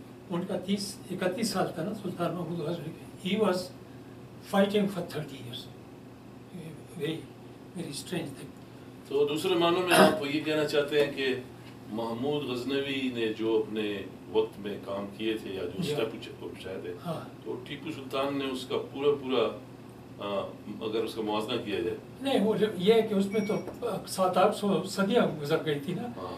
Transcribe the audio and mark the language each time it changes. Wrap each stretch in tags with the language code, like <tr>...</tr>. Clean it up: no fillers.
<hi>उनका 31 साल था ना सुल्तान महमूद गजनवी के.</hi> <en>He was fighting for 30 years. Very strange thing.</en> <hi>तो दूसरे मानों में आप ये कहना चाहते हैं कि महमूद गजनवी ने जो अपने वक्त में काम किए थे या जो स्टेप उठाए थे, तो टीपू सुल्तान ने उसका पूरा अगर उसका मुआवजा किया जाए. नहीं, वो ये है कि उसमें तो 700-800 सदियां गुजर गई थी ना.</hi>